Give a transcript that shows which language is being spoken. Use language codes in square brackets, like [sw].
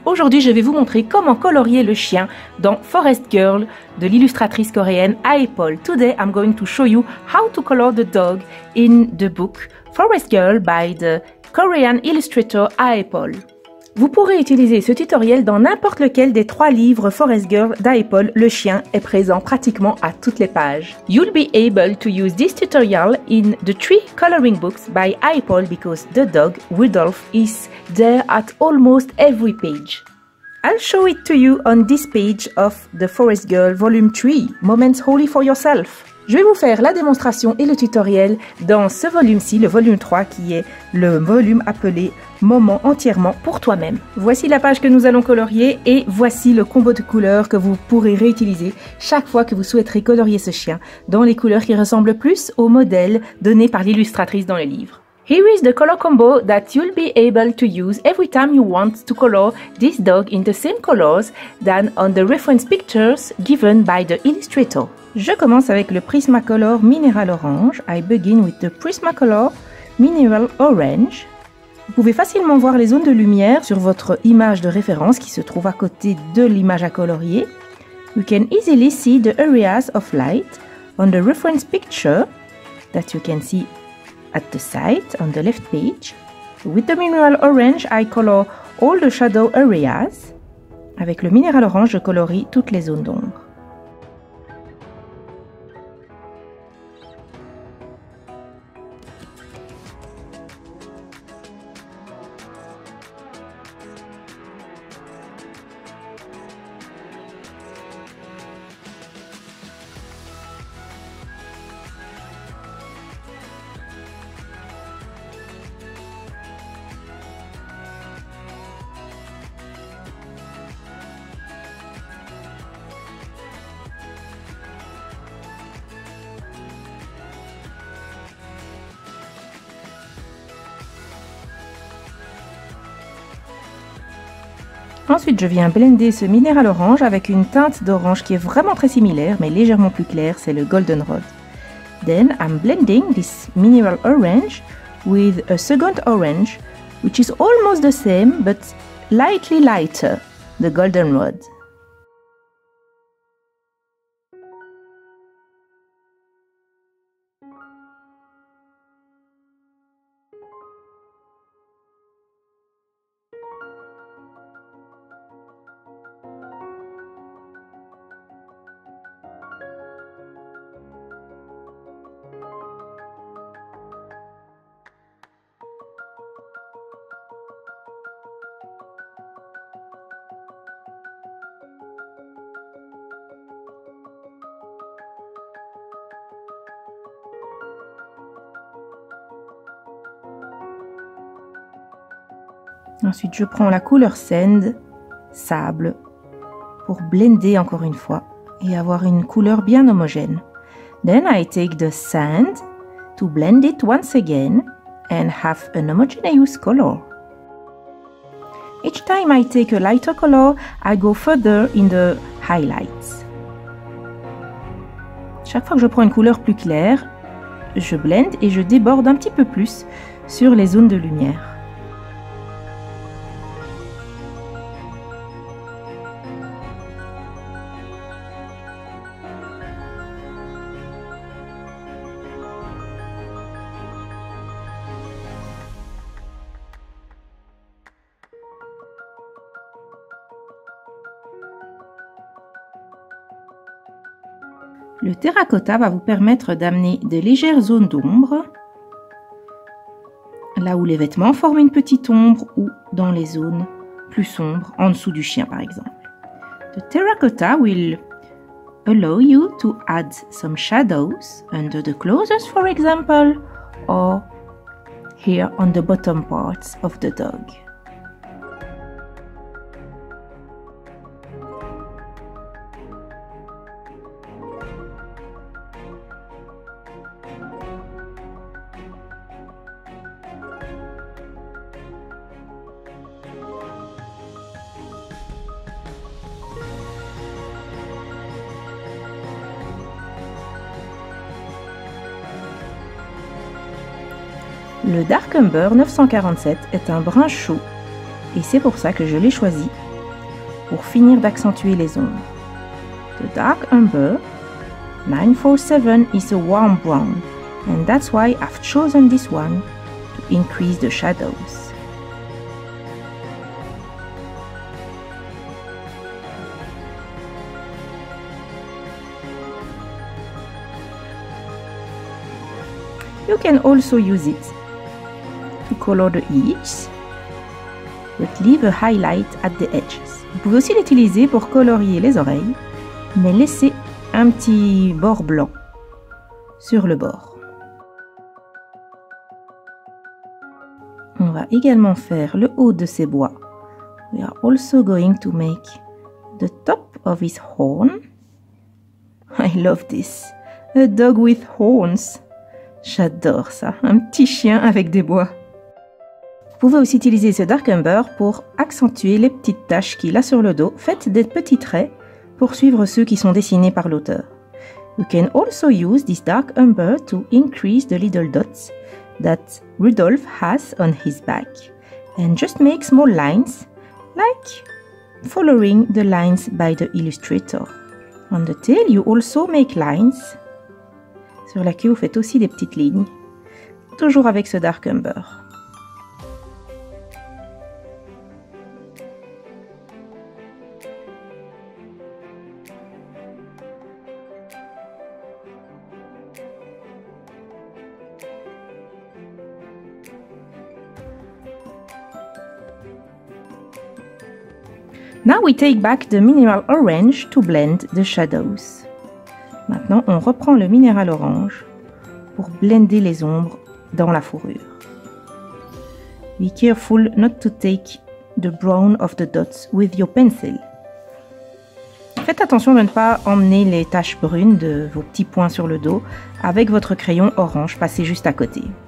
[fr] Aujourd'hui, je vais vous montrer comment colorier le chien dans Forest Girl de l'illustratrice coréenne Aeppol. [en] Today, I'm going to show you how to color the dog in the book Forest Girl by the Korean illustrator Aeppol. [fr] Vous pourrez utiliser ce tutoriel dans n'importe lequel des trois livres Forest Girl d'Aeppol. Le chien est présent pratiquement à toutes les pages. [en] You'll be able to use this tutorial in the three coloring books by Aeppol because the dog, Rudolph, is there at almost every page. I'll show it to you on this page of the Forest Girl volume 3, Moments Holy for Yourself. [fr] Je vais vous faire la démonstration et le tutoriel dans ce volume-ci, le volume 3, qui est le volume appelé « Moment entièrement pour toi-même ». Voici la page que nous allons colorier et voici le combo de couleurs que vous pourrez réutiliser chaque fois que vous souhaiterez colorier ce chien dans les couleurs qui ressemblent plus au modèle donné par l'illustratrice dans le livre. [en] Here is the color combo that you'll be able to use every time you want to color this dog in the same colors than on the reference pictures given by the illustrator. [fr] Je commence avec le Prismacolor Mineral Orange. [en] I begin with the Prismacolor Mineral Orange. [fr] Vous pouvez facilement voir les zones de lumière sur votre image de référence qui se trouve à côté de l'image à colorier. [en] You can easily see the areas of light on the reference picture that you can see at the side on the left page. With the Mineral Orange, I color all the shadow areas. [fr] Avec le Mineral Orange, je colorie toutes les zones d'ombre. Ensuite, je viens blender ce minéral orange avec une teinte d'orange qui est vraiment très similaire, mais légèrement plus claire, c'est le goldenrod. [en] Then, I'm blending this mineral orange with a second orange, which is almost the same, but slightly lighter, the goldenrod. [fr] Ensuite, je prends la couleur sand, sable, pour blender encore une fois et avoir une couleur bien homogène. [en] Then I take the sand to blend it once again and have an homogeneous color. Each time I take a lighter color, I go further in the highlights. [fr] Chaque fois que je prends une couleur plus claire, je blende et je déborde un petit peu plus sur les zones de lumière. Le terracotta va vous permettre d'amener de légères zones d'ombre, là où les vêtements forment une petite ombre ou dans les zones plus sombres, en dessous du chien par exemple. [en] The terracotta will allow you to add some shadows under the clothes for example, or here on the bottom parts of the dog. [fr] Le Dark Umber 947 est un brun chaud et c'est pour ça que je l'ai choisi pour finir d'accentuer les ombres. [en] The Dark Umber 947 is a warm brown and that's why I've chosen this one to increase the shadows. You can also use it to color the edges, but leave a highlight at the edges. [fr] Vous pouvez aussi l'utiliser pour colorier les oreilles, mais laisser un petit bord blanc sur le bord. On va également faire le haut de ses bois. [en] We are also going to make the top of his horn. I love this. A dog with horns. [fr] J'adore ça, un petit chien avec des bois. Vous pouvez aussi utiliser ce Dark Umber pour accentuer les petites taches qu'il a sur le dos. Faites des petits traits pour suivre ceux qui sont dessinés par l'auteur. [en] You can also use this Dark Umber to increase the little dots that Rudolph has on his back. And just make small lines, like following the lines by the illustrator. On the tail, you also make lines. [fr] Sur la queue, vous faites aussi des petites lignes, toujours avec ce Dark Umber. [en] Now we take back the mineral orange to blend the shadows. [fr] Maintenant, on reprend le minéral orange pour blender les ombres dans la fourrure. [en] Be careful not to take the brown of the dots with your pencil. [fr] Faites attention de ne pas emmener les taches brunes de vos petits points sur le dos avec votre crayon orange passé juste à côté.